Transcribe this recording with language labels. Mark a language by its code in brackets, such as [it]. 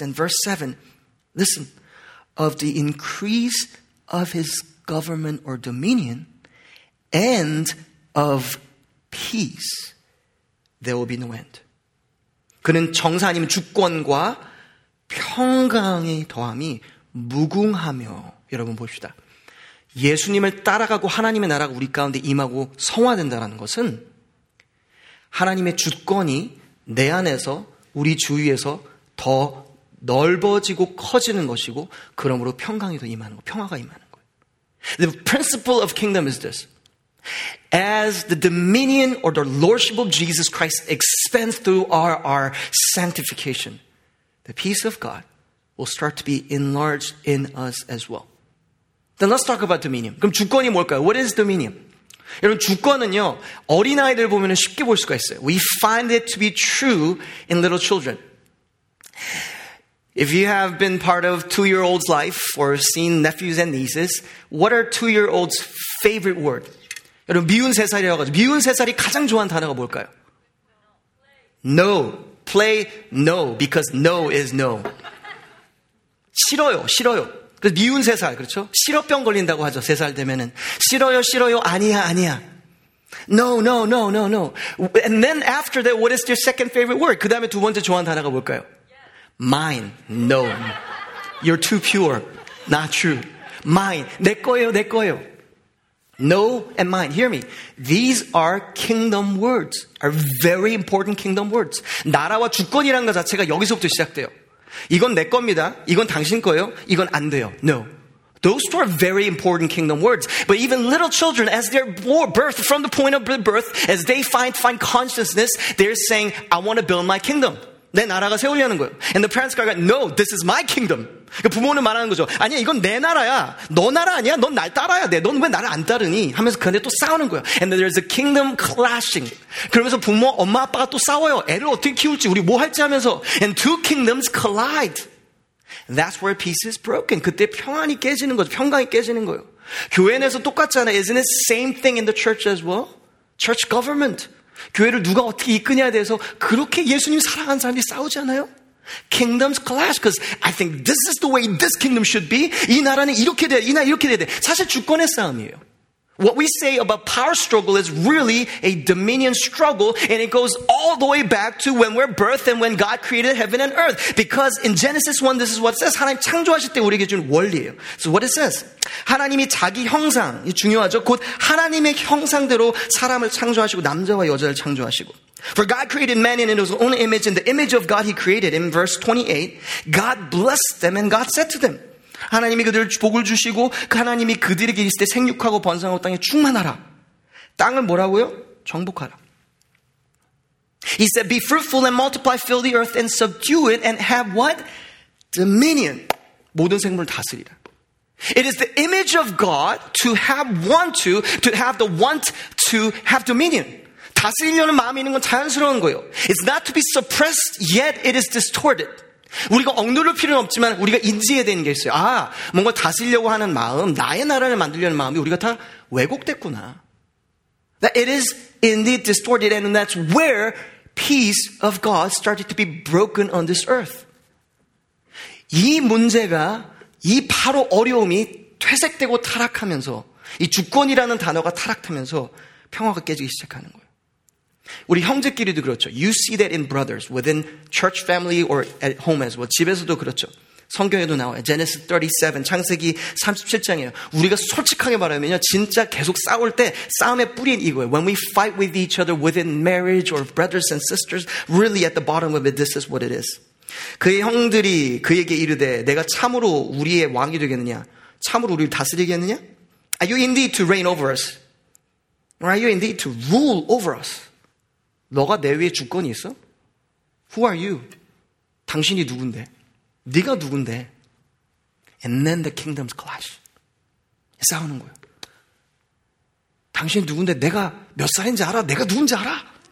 [en] And verse 7, listen, of the increase of his government or dominion and of peace there will be no end. [ko] 그는 정사 아니면 주권과 평강의 더함이 무궁하며 여러분 봅시다. 예수님을 따라가고 하나님의 나라가 우리 가운데 임하고 성화된다는 것은 하나님의 주권이 내 안에서 우리 주위에서 더 넓어지고 커지는 것이고 그러므로 평강이 더 임하는 거, 평화가 임하는 거. [en] The principle of kingdom is this. As the dominion or the lordship of Jesus Christ expands through our sanctification, the peace of God will start to be enlarged in us as well. Then let's talk about dominion. [ko] 그럼 주권이 뭘까요? [en] What is dominion? [ko] 여러분, 주권은요, 어린아이들 보면 쉽게 볼 수가 있어요. [en] We find it to be true in little children. If you have been part of two-year-old's life or seen nephews and nieces, what are two-year-old's favorite word? [ko] 여러분, 미운 세 살이어가지고 미운 세 살이 가장 좋아하는 단어가 뭘까요? [en] No. Play no, because no is no. [ko] 싫어요, 싫어요. 그래서 미운 세 살, 그렇죠? 싫어병 걸린다고 하죠, 세 살 되면은. 싫어요, 싫어요, 아니야, 아니야. [en] No, no, no, no, no. And then after that, what is your second favorite word? [ko] 그 다음에 두 번째 좋아하는 단어가 뭘까요? [en] Mine, no. You're too pure, not true. Mine, [ko] 내 거예요, 내 거예요. [en] No and mine, hear me. These are kingdom words, are very important kingdom words. [ko] 나라와 주권이라는 것 자체가 여기서부터 시작돼요. 이건 내 겁니다, 이건 당신 거예요, 이건 안 돼요, no. [en] Those two are very important kingdom words. But even little children, as they're birthed from the point of birth, as they find consciousness, they're saying, I want to build my kingdom. [ko] 내 나라가 세우려는 거예요. [en] And the parents are like, no, this is my kingdom. [ko] 그러니까 부모는 말하는 거죠. 아니야, 이건 내 나라야. 너 나라 아니야? 넌 날 따라야 돼. 넌 왜 나를 안 따르니? 하면서 그 안에 또 싸우는 거예요. [en] And then there's a kingdom clashing. [ko] 그러면서 부모, 엄마, 아빠가 또 싸워요. 애를 어떻게 키울지, 우리 뭐 할지 하면서. [en] And two kingdoms collide. That's where peace is broken. [ko] 그때 평안이 깨지는 거죠. 평강이 깨지는 거예요. 교회 내에서 똑같잖아요. [en] Isn't it same thing in the church as well? Church government. [ko] 교회를 누가 어떻게 이끄냐에 대해서 그렇게 예수님 사랑하는 사람들이 싸우잖아요. [en] Kingdoms clash because I think this is the way this kingdom should be. [ko] 이 나라는 이렇게 돼야 돼. 사실 주권의 싸움이에요. [en] What we say about power struggle is really a dominion struggle, and it goes all the way back to when we're birthed and when God created heaven and earth. Because in Genesis 1, this is what it says. [ko] 하나님 창조하실 때 우리에게 준 원리예요. [en] So what it says? [ko] 하나님이 자기 형상, 이 중요하죠. 곧 하나님의 형상대로 사람을 창조하시고 남자와 여자를 창조하시고. [en] For God created man in his own image, in the image of God he created. In verse 28, God blessed them and God said to them, [ko] 하나님이 그들 복을 주시고 하나님이 그들에게 있을 때 생육하고 번성하고 땅에 충만하라. 땅을 뭐라고요? 정복하라. [en] He said, be fruitful and multiply, fill the earth and subdue it and have what? [ko] Dominion. 모든 생물을 다스리라. [en] It is the image of God to have want to have the want to have dominion. [ko] 다스리려는 마음이 있는 건 자연스러운 거예요. [en] It's not to be suppressed, yet it is distorted. [ko] 우리가 억누를 필요는 없지만 우리가 인지해야 되는 게 있어요. 아, 뭔가 다스리려고 하는 마음, 나의 나라를 만들려는 마음이 우리가 다 왜곡됐구나. [en] That it is indeed distorted, and that's where peace of God started to be broken on this earth. [ko] 이 문제가, 이 바로 어려움이 퇴색되고 타락하면서, 이 주권이라는 단어가 타락하면서 평화가 깨지기 시작하는 거예요. 우리 형제끼리도 그렇죠. [en] You see that in brothers, within church family or at home as well. [ko] 집에서도 그렇죠. 성경에도 나와요. Genesis 37, 창세기 37장이에요. 우리가 솔직하게 말하면요, 진짜 계속 싸울 때 싸움의 뿌리는 이거예요. [en] When we fight with each other within marriage or brothers and sisters, really at the bottom of it, this is what it is. [ko] 그의 형들이 그에게 이르되, 내가 참으로 우리의 왕이 되겠느냐? 참으로 우리를 다스리겠느냐? [en] Are you indeed to reign over us? Or are you indeed to rule over us? [ko] 너가 내 위에 주권이 있어? [en] Who are you? [ko] 당신이 누군데? 네가 누군데? [en] And then the kingdoms clash. [ko] 싸우는 거예요. 당신이 누군데? 내가 몇 살인지 알아? 내가 누군지 알아?